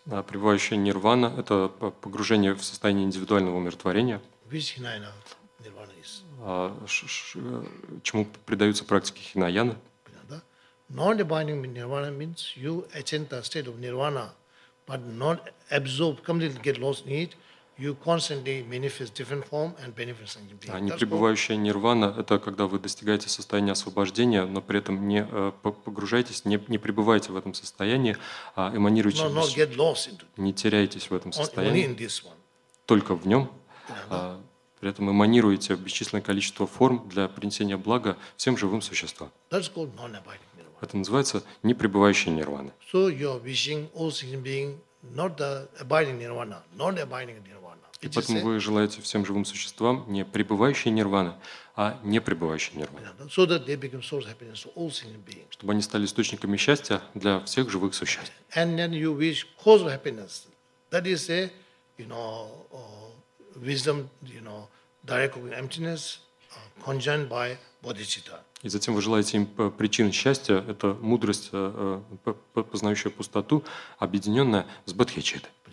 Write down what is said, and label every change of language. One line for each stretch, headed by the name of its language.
Russian: Да, пребывающая нирвана это погружение в состояние индивидуального умиротворения.
English: Which hinayana nirvana is?
Russian: Чему предаются практики хинаяны?
English: Non-abiding nirvana means you attain the state of nirvana, but not absorb, completely get lost in it. You constantly manifest different form and benefit sentient being.
Russian: А непребывающая нирвана – это когда вы достигаете состояния освобождения, но при этом не погружаетесь, не пребываете в этом состоянии, а эманируете.
English: No, not get lost into.
Russian: Не теряетесь в этом состоянии.
English: Only in this one.
Russian: Только в нем. При этом эманируете бесчисленное количество форм для принесения блага всем живым существам.
English: That's called non-abiding.
Russian: Это называется непребывающая нирвана.
English: So you are wishing all sentient being not the abiding nirvana, non-abiding nirvana.
Russian: И поэтому вы желаете всем живым существам не пребывающие нирваны, а непребывающие нирваны.
English: So that they become source of happiness for all sentient beings.
Russian: Чтобы они стали источниками счастья для всех живых существ.
English: And then you wish cause of happiness. That is a, you know, wisdom, you know, direct of emptiness, conjoined by bodhicitta.
Russian: И затем вы желаете им причин счастья, это мудрость, познающая пустоту, объединенная с бодхичиттой.